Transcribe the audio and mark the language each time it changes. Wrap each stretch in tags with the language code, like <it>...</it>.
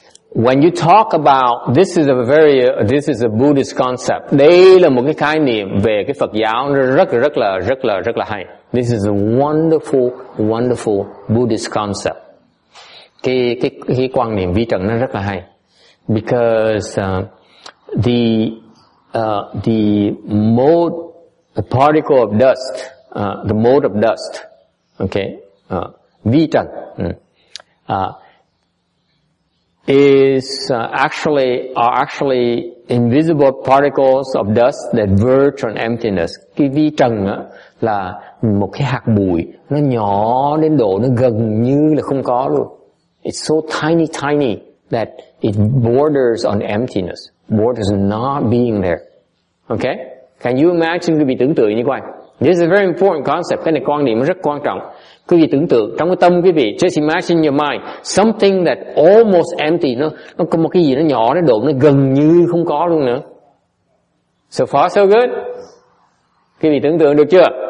<en>When you talk about, this is a very, this is a Buddhist concept.</en> <vi>Đây là một cái khái niệm về cái Phật giáo rất là hay.</vi> <en>This is a wonderful, wonderful Buddhist concept.</en> <vi>Cái quan niệm vi trần nó rất là hay.</vi> <en>Because the mode, the particle of dust, the mode of dust, okay, vi trần, are actually invisible particles of dust that verge on emptiness.</en> <vi>Cái vi trần á, là một cái hạt bụi, nó nhỏ đến độ nó gần như là không có luôn.</vi> <en>It's so tiny, tiny that it borders on emptiness, borders not being there. Okay? Can you imagine,</en> <vi>quý vị tưởng tượng như vậy?</vi> <en>This is a very important concept.</en> <vi>Cái này quan niệm rất quan trọng. Quý vị tưởng tượng trong cái tâm quý vị,</vi> <en>just imagine your mind, something that almost empty,</en> <vi>nó có một cái gì nó nhỏ, nó độn, nó gần như không có luôn nữa.</vi> <en>So far so good.</en> <vi>Quý vị tưởng tượng được chưa?</vi>